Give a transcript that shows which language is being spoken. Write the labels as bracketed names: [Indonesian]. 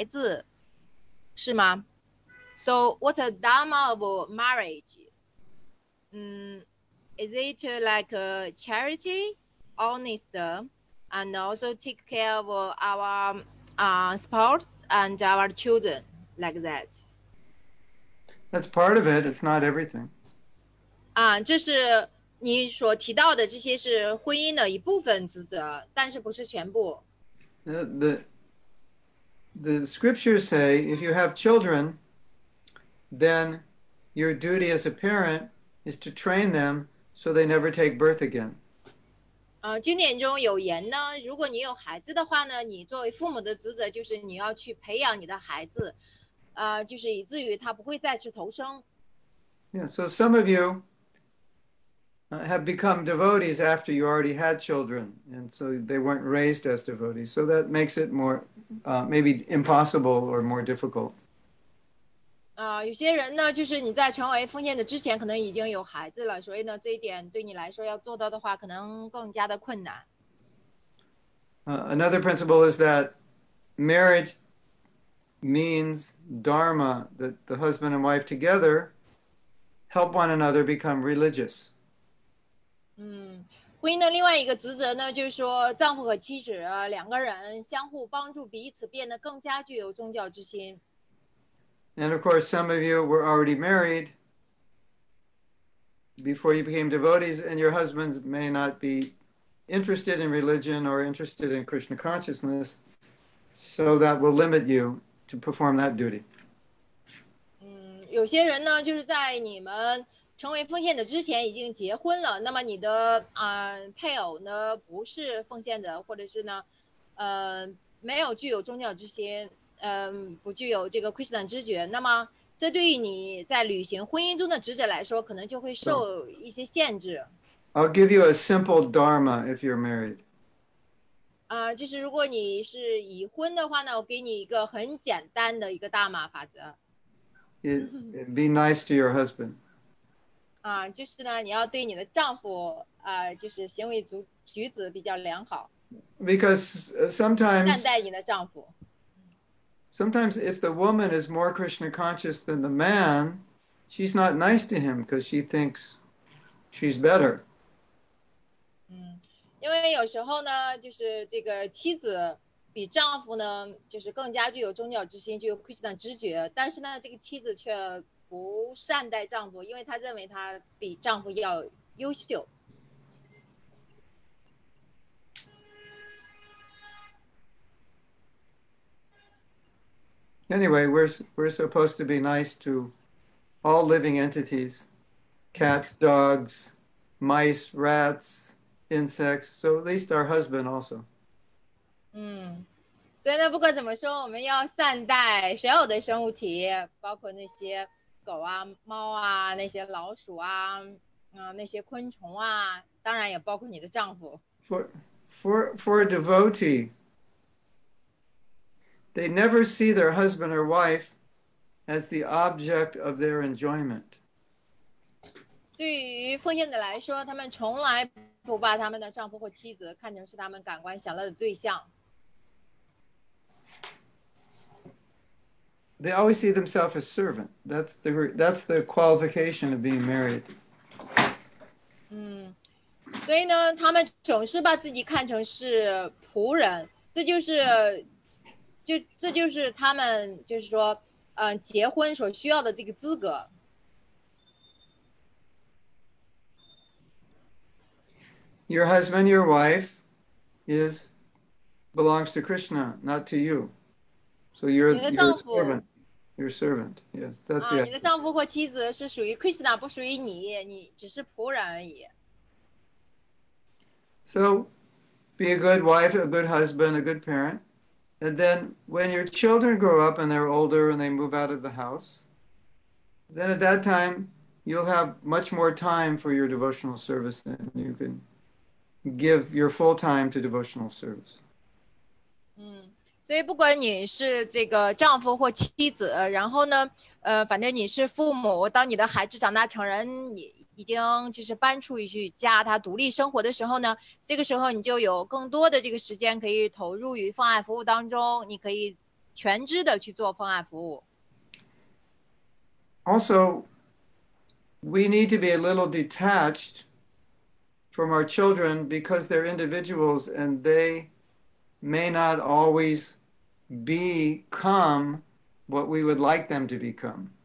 [Chinese] 婚姻的职责是什么呢？比如说圣洁、忠诚、照顾好对方或者孩子，是吗？ [English] So what's the dharma of marriage? Is it like a charity, honest, and also take care of our spouse and our children like that? That's part of it. It's not everything. [Chinese] 啊，这是。你所提到的这些是婚姻的一部分职责，但是不是全部。 [English] The the scriptures say, if you have children, then your duty as a parent is to train them so they never take birth again. [Chinese] 经典中有言呢，如果你有孩子的话呢，你作为父母的职责就是你要去培养你的孩子，就是以至于他不会再次投生。 [English] Yeah, so some of you have become devotees after you already had children, and so they weren't raised as devotees. So that makes it more, maybe impossible or more difficult. [Chinese] 有些人呢，就是你在成为奉献者之前，可能已经有孩子了，所以呢，这一点对你来说要做到的话，可能更加的困难。 [English] Another principle is that marriage means dharma, that the husband and wife together help one another become religious. [Chinese] 婚姻的另外一个职责呢，就是说丈夫和妻子两个人相互帮助彼此变得更加具有宗教之心。 [English] And of course, some of you were already married before you became devotees, and your husbands may not be interested in religion or interested in Krishna consciousness, so that will limit you to perform that duty. [Chinese] 有些人呢，就是在你们成为奉献者之前已经结婚了，那么你的配偶呢不是奉献者，或者是呢，没有具有宗教之心。不具有这个 Krishna 知觉，那么这对于你在履行婚姻中的职责来说，可能就会受一些限制。 [English] So, I'll give you a simple dharma if you're married. [Chinese] 就是如果你是已婚的话呢，我给你一个很简单的一个大马法则。 [English] It be nice to your husband. [Chinese] 就是呢，你要对你的丈夫，就是行为举止比较良好。 [English] Because sometimes [Chinese] 善待你的丈夫。 [English] Sometimes if the woman is more Krishna conscious than the man, she's not nice to him because she thinks she's better. [Chinese] 因为有时候呢，就是这个妻子比丈夫呢，就是更加具有宗教之心，具有 Krishna 知觉，但是呢，这个妻子却不善待丈夫，因为她认为她比丈夫要优秀。 [English] Anyway, we're supposed to be nice to all living entities, cats, dogs, mice, rats, insects, so at least our husband also. [Chinese] 所以呢，不管怎么说，我们要善待所有的生物体，包括那些狗啊、猫啊、那些老鼠啊、那些昆虫啊，当然也包括你的丈夫。 [English] For a devotee,they never see their husband or wife as the object of their enjoyment. [Chinese] 对于奉献者来说，他们从来不把他们的丈夫或妻子看成是他们感官享乐的对象。 [English] They always see themselves as servant. That's the qualification of being married. [Chinese] 所以呢，他们总是把自己看成是仆人，这就是。这就是他们就是说结婚所需要的这个资格。 [English] Your husband, your wife belongs to Krishna, not to you. So you're a servant. Yes, that's it. [Chinese] 你的丈夫或妻子是属于 Krishna, 不属于你，你只是仆人而已。 [English] So be a good wife, a good husband, a good parent. And then when your children grow up and they're older and they move out of the house, then at that time, you'll have much more time for your devotional service than you can give your full time to devotional service. [Chinese] 所以不管你是这个丈夫或妻子，然后呢，反正你是父母，当你的孩子长大成人，你已经就是搬出去家，他独立生活的时候呢，这个时候你就有更多的这个时间可以投入于奉爱服务当中，你可以全职的去做奉爱服务。 [English] Also, we need to be a little detached from our children because they're individuals and they may not always become what we would like them to become.